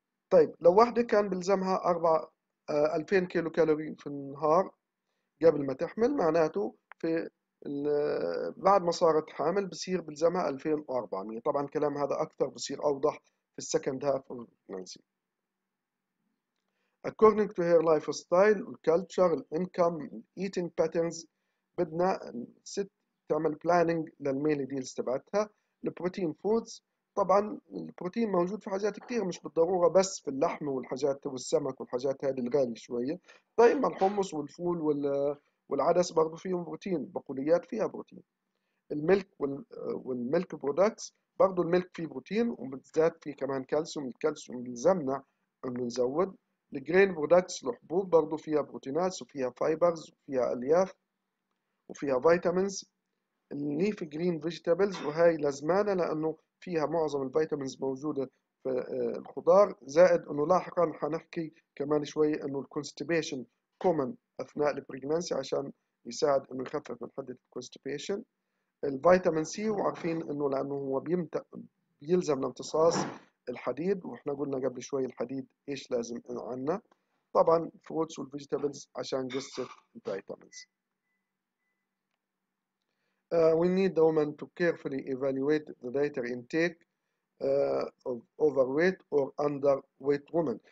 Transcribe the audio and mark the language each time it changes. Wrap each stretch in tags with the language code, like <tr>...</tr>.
<ar>طيب، لو واحدة كان بلزمها 2000 كيلو كالوري في النهار قبل ما تحمل، معناته في بعد ما صارت حامل بصير بلزمها 2400. طبعا الكلام هذا أكثر بصير أوضح في السكند هاف أوف برنسي.</ar> <en>According to her lifestyle, culture, income, eating patterns،</en> <ar>بدنا ست تعمل planning للميلي ديلز تبعتها. البروتين فودز، طبعا البروتين موجود في حاجات كثير، مش بالضرورة بس في اللحم والحاجات والسمك والحاجات هذه الغالية شوية. طيب، الحمص والفول والعدس برضو فيهم بروتين، بقوليات فيها بروتين. الملك والملك برودكتس، برضو الملك فيه بروتين وبالذات فيه كمان كالسيوم، الكالسيوم بيلزمنا انه نزود. الجرين برودكتس، الحبوب برضو فيها بروتينات وفيها فايبرز وفيها الياف وفيها فيتامينز. الليف جرين فيجيتابلز، وهي لازمانا لانه فيها معظم الفيتامينز موجوده في الخضار، زائد انه لاحقا حنحكي كمان شوي انه الكونستيبيشن كومن اثناء البريجننسي عشان يساعد انه يخفف من حده الكونستيبيشن. الفيتامين سي، وعارفين انه لانه هو بيلزم لامتصاص الحديد، واحنا قلنا قبل شوي الحديد ايش لازم عندنا. طبعا فروتس والفيجيتابلز عشان جسد الفيتامينز.</ar> <en>We need the woman to carefully evaluate the dietary intake of overweight or underweight women.</en>